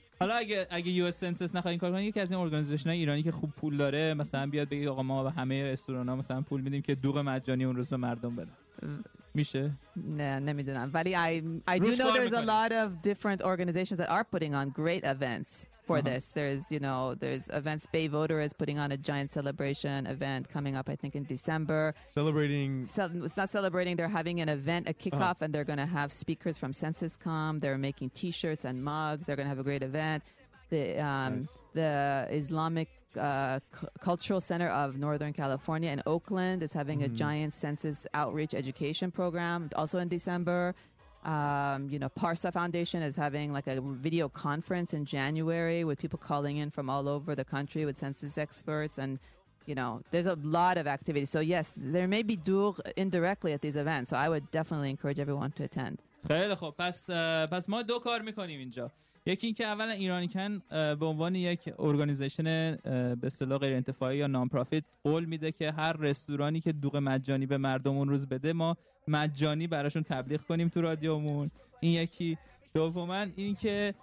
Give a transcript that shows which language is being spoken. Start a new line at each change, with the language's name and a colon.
Persian: حالا اگه یو اس سنسس نخواد این کار کنه، یکی از این ارگانیزیشن‌های ایرانی که خوب پول داره مثلا بیاد بگه آقا ما به همه رستوران‌ها مثلا پول میدیم که دوغ مجانی اون روز به مردم بده. میشه؟ نه نمیدونم، ولی
English: I do know there's a lot of different organizations that are putting on great events for this. There's, you know, there's events. Bay Voter is putting on a giant celebration event coming up, I think, in December. Celebrating. It's not celebrating. They're having an event, a kickoff, and they're going to have speakers from Census.com. They're making T-shirts and mugs. They're going to have a great event. The Islamic Cultural Center of Northern California in Oakland is having a giant Census outreach education program also in December. You know, Parsa Foundation is having like a video conference in January with people calling in from all over the country with census experts. And, you know, there's a lot of activity. So, yes, there may be dulk indirectly at these events. So I would definitely encourage everyone to attend.
Persian: خیلی خوب. پس ما دو کار میکنیم اینجا. یکی این که اولا ایرانیکن به عنوان یک ارگانیزیشن به اصطلاح غیر انتفاعی یا نانپروفیت قول میده که هر رستورانی که دوغ مجانی به مردم اون روز بده ما مجانی براشون تبلیغ کنیم تو رادیومون. این یکی. دوما این که